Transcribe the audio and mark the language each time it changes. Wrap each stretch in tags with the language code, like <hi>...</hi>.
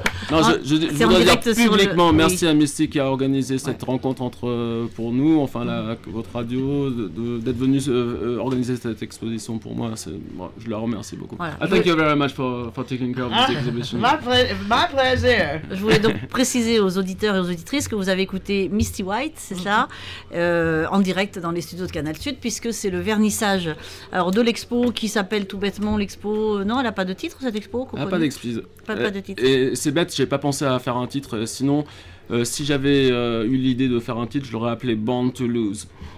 <fr>Non, je voudrais dire publiquement merci à Misty qui a organisé cette rencontre entre pour nous, enfin votre radio, d'être venu organiser cette exposition pour moi. Je la remercie beaucoup. Voilà.</fr> <en>Thank you very much for taking care of this exhibition. My pleasure.</en> <fr>Je voulais donc préciser aux auditeurs et aux auditrices que vous avez écouté Misty White, c'est ça, en direct dans les studios de Canal Sud, puisque c'est le vernissage de l'expo qui s'appelle tout bêtement l'expo. Non, elle n'a pas de titre cette expo. Elle n'a pas d'expo. Pas de titre. Et c'est bête, j'ai pas pensé à faire un titre. Sinon, si j'avais eu l'idée de faire un titre, je l'aurais appelé Born to Lose.</fr>